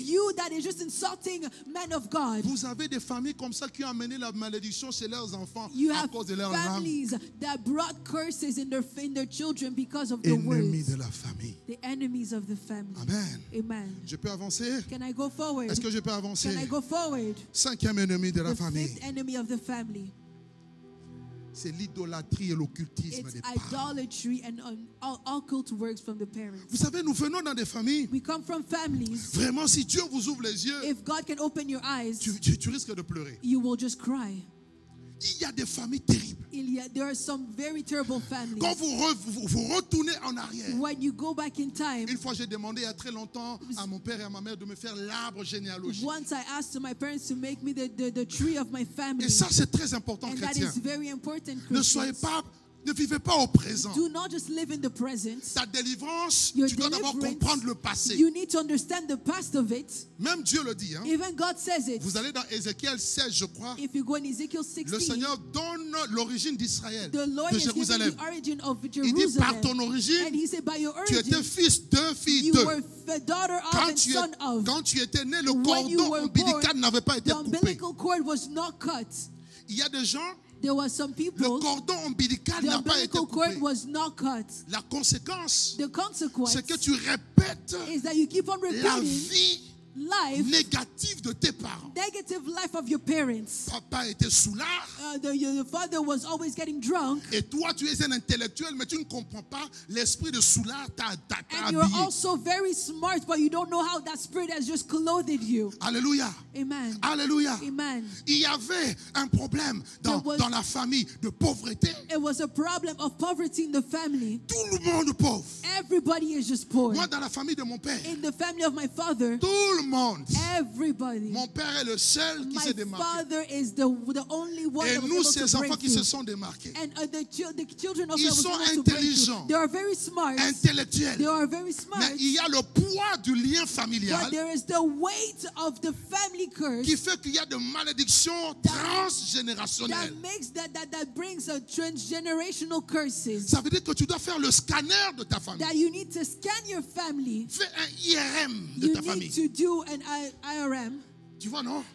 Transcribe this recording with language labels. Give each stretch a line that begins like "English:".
English: You that is just insulting men of God.
French: Vous avez des familles comme ça qui ont amené la malédiction chez leurs enfants
English: you
French: à cause de leur âme.
English: Families that brought curses in their children because of the words.
French: Ennemis de la famille.
English: The enemies of the family. Amen. Amen.
French: Je peux avancer?
English: Can I go forward?
French: Est-ce que je peux avancer?
English: Can I go forward?
French: Cinquième ennemi de la famille.
English: The fifth enemy of the family.
French: C'est l'idolâtrie et l'occultisme
English: It's
French: des parents.
English: Idolatry and occult works from the parents.
French: Vous savez, nous venons dans des familles.
English: We come from families.
French: Vraiment, si Dieu vous ouvre les yeux,
English: if God can open your eyes,
French: tu risques de pleurer.
English: You will just cry.
French: Il y a des familles terribles.
English: There are some very terrible families.
French: Quand vous retournez en arrière,
English: when you go back in time,
French: une fois j'ai demandé il y a très longtemps à mon père et à ma mère de me faire l'arbre généalogique.
English: Once I asked my parents to make me the tree of my family.
French: Et ça c'est très important,
English: and
French: chrétien.
English: And that is very important, Christian.
French: Ne soyez pas, ne vivez pas au présent.
English: Do not just live in the present.
French: Ta délivrance,
English: your
French: tu dois d'abord comprendre le passé.
English: You need to understand the past of it.
French: Même Dieu le dit. Hein.
English: Even God says it.
French: Vous allez dans Ézéchiel 16, je crois.
English: If you go in Ezekiel 16,
French: le Seigneur donne l'origine d'Israël,
English: the Lord
French: de Jérusalem.
English: The origin of Jerusalem.
French: Il dit par ton origine,
English: and he said, by your origin,
French: tu étais fils de fille de.
English: You were the daughter of and son of.
French: Quand tu étais né, le cordon ombilical
English: born,
French: n'avait pas été
English: the
French: coupé.
English: The umbilical cord was not cut.
French: Il y a des gens.
English: There were some people.
French: Le cordon ombilical
English: the
French: n'a pas été coupé.
English: Cord was not cut.
French: La conséquence,
English: the consequence,
French: c'est que tu répètes
English: is that you keep on repeating
French: la vie
English: life
French: négative de tes parents.
English: Negative life of your parents.
French: Papa était soulard.
English: The father was always getting drunk.
French: Et toi, tu es un intellectuel, mais tu ne comprends pas l'esprit de soulard t'a
English: and
French: habillé.
English: And you're also very smart, but you don't know how that spirit has just clothed you. Alléluia. Amen. Alléluia. Amen.
French: Il y avait un problème dans la famille de pauvreté.
English: It was a problem of poverty in the family.
French: Tout le monde pauvre.
English: Everybody is just poor.
French: Moi, dans la famille de mon père.
English: In the family of my father.
French: Tout le monde.
English: Everybody.
French: Mon père est le seul qui
English: my
French: s'est démarqué.
English: Father is the only one.
French: Et nous, ces enfants qui se sont démarqués.
English: And the children of
French: ils sont intelligents.
English: They are very smart.
French: Intellectuels.
English: They are very smart.
French: Mais il y a le poids du lien familial.
English: But there is the weight of the family curse.
French: Qui fait qu'il y a des malédictions transgénérationnelles.
English: That makes that brings a transgenerational curses.
French: Ça veut dire que tu dois faire le scanner de ta famille.
English: That you need to scan your family.
French: Fais un IRM de
English: you
French: ta famille.
English: To do an IRM.
French: Tu vois, non?